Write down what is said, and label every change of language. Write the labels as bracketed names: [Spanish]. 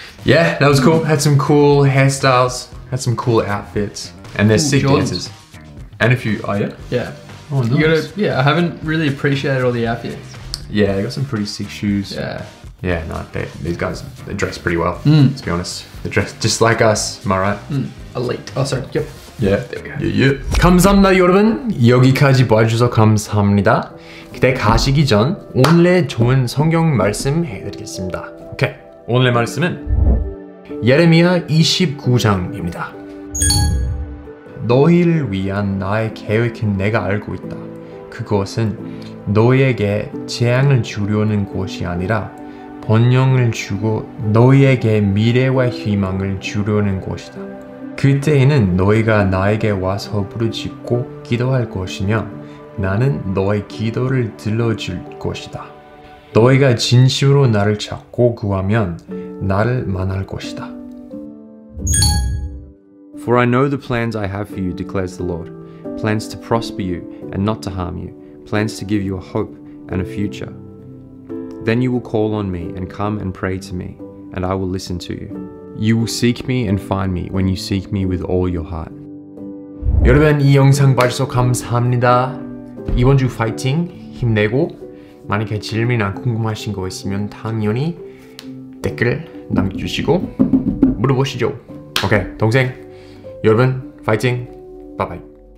[English] Yeah, that was cool. Had some cool hairstyles. Had some cool outfits. And they're sick Jordan. Dancers. And a few. Oh yeah. Yeah. Oh, nice. I haven't really appreciated all the outfits. Yeah, they got some pretty sick shoes. Yeah. Yeah, no, these guys, they dress pretty well, to be honest. They dress just like us, am I right? Elite. Oh, sorry, yep. Yeah. There we go. [Korean] Yeah, yeah. 감사합니다, 여러분. 여기까지 봐주셔서 감사합니다. 그때 가시기 전, 오늘의 좋은 성경 말씀 해드리겠습니다. 오케이, 오늘의 말씀은 예레미야 29장입니다. 너희를 위한 나의 계획은 내가 알고 있다. 그것은 너희에게 재앙을 주려는 것이 아니라 번영을 주고 너희에게 미래와 희망을 주려는 것이다. 그때에는 너희가 나에게 와서 부르짖고 기도할 것이며 나는 너의 기도를 들어줄 것이다. 너희가 진심으로 나를 찾고 구하면 나를 만날 것이다. [English] For I know the plans I have for you, declares the Lord. Plans to prosper you and not to harm you. Plans to give you a hope and a future. Then you will call on me and come and pray to me, and I will listen to you. You will seek me and find me when you seek me with all your heart. [Korean] 여러분, 이 영상 봐주셔서 감사합니다. 이번 주 파이팅! 힘내고, 만약에 질문이나 궁금하신 거 있으면 당연히 댓글 남겨주시고 물어보시죠. 오케이, 동생! 여러분, 파이팅! 바이바이.